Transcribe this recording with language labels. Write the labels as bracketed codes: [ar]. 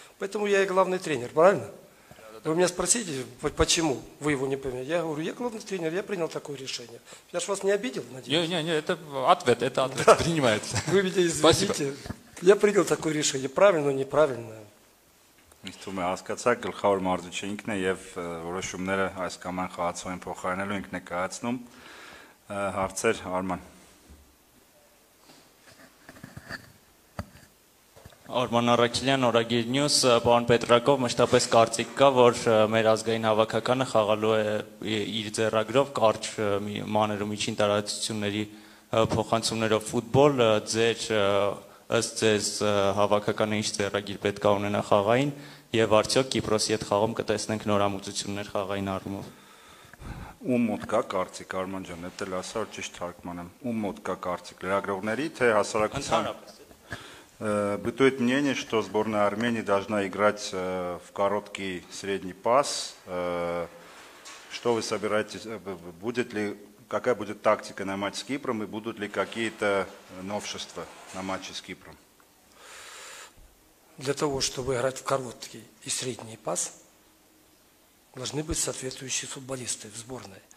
[ru] Поэтому я и главный тренер, правильно? Вы меня спросите, почему вы его не поменяли. Я говорю, я главный тренер, я принял такое решение. Я же вас не обидел, надеюсь. Нет, это ответ, да. Принимается. Вы меня извините. Спасибо. Я принял такое решение, правильно, неправильно. [hy] Ինչու՞ եմ հասկացած գլխավոր մարզիչն է եւ որոշումները այս կամ այն խաղացողին փոխարինելու ենք ներկայացնում հարցեր Արման Արման Արաքելյան Օրագիր Նյուս պարոն Պետրակով մշտապես կարծիք կա որ մեր ազգային հավաքականը խաղալու է իր ձեռագրով կարճ մաներու միջին տարածությունների փոխանցումներով ֆուտբոլ ձեր ըստ ձեզ հավաքականը ինչ ձեռագիր պետք է ունենա խաղային եւ արդյոք Կիպրոսի հետ խաղում կտեսնենք նորամուծություններ խաղային առումով ու մոտ կա կարծիք Արման ջան դա լասա որ ճիշտ թարգմանեմ ու մոտ կա կարծիք լրագրողների թե հասարակության [ru] Бытует мнение, что сборная Армении должна играть в короткий средний пас. Что вы собираетесь, будет ли Какая будет тактика на матч с Кипром и будут ли какие-то новшества на матче с Кипром? Для того, чтобы играть в короткий и средний пас, должны быть соответствующие футболисты в сборной.